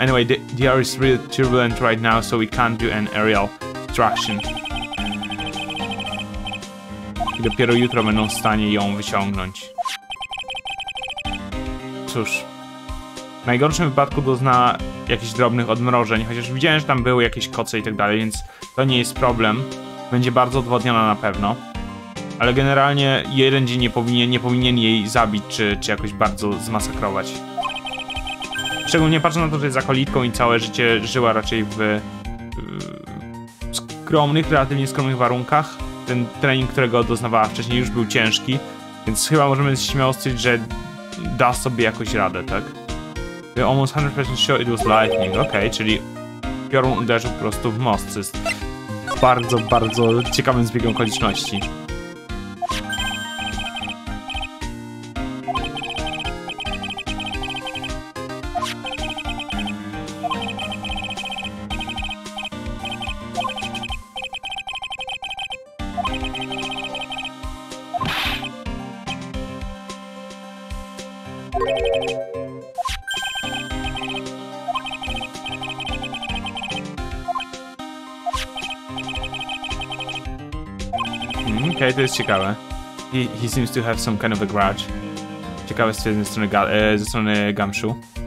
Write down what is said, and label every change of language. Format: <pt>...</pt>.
<en>Anyway, the air is really turbulent right now, so we can't do an aerial extraction.</en> <pl>I dopiero jutro będą w stanie ją wyciągnąć. Cóż. W najgorszym wypadku dozna jakichś drobnych odmrożeń, chociaż widziałem, że tam były jakieś koce i tak dalej, więc to nie jest problem. Będzie bardzo odwodniona na pewno. Ale generalnie jeden dzień nie powinien jej zabić, czy jakoś bardzo zmasakrować. Szczególnie patrząc na to, że jest akolitką i całe życie żyła raczej w skromnych, relatywnie skromnych warunkach. Ten trening, którego doznawała wcześniej, już był ciężki, więc chyba możemy śmiało stwierdzić, że da sobie jakoś radę, tak?</pl> <en>Almost 100% sure it was lightning.</en> <pl>Okej, czyli piorun uderzył po prostu w most. To jest bardzo, bardzo ciekawym zbiegiem okoliczności. Okej, to jest ciekawe.</pl> <en>He seems to have some kind of a grudge.</en> <pl>Ciekawe stwierdzenie ze strony Gamshu.</pl>